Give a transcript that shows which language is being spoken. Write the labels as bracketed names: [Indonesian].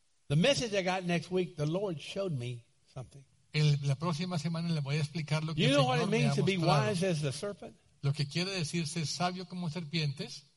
[English] The message I got next week, the Lord showed me something. [Spanish] La próxima semana le voy a explicar lo que [English] you know what it means to be wise as the serpent? [Spanish] Lo que quiere decir ser sabio como serpientes.